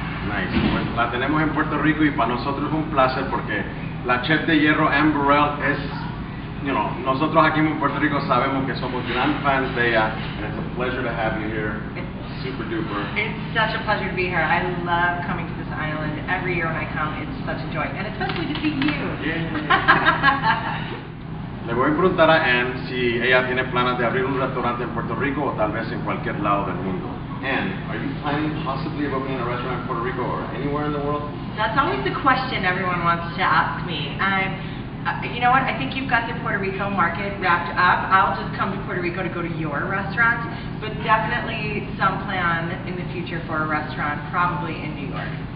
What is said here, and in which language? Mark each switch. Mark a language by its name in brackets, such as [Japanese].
[Spanish] Nice. La tenemos en Puerto Rico y para nosotros es un placer porque la chef de hierro Ann Burrell es, [English] you know, [Spanish] nosotros aquí en Puerto Rico sabemos que somos gran fans de ella. [English] And it's a pleasure to have you here. It's super duper. It's such a pleasure to be here. I love coming to this island. Every year when I come, it's such a joy. And especially to see you. Yeah. [Spanish] Le voy a preguntar a Ann si ella tiene planes de abrir un restaurante en Puerto Rico o tal vez en cualquier lado del mundo. [English] And are you planning possibly of opening a restaurant in Puerto Rico or anywhere in the world? That's always the question everyone wants to ask me. You know what? I think you've got the Puerto Rico market wrapped up. I'll just come to Puerto Rico to go to your restaurant. But definitely some plan in the future for a restaurant, probably in New York.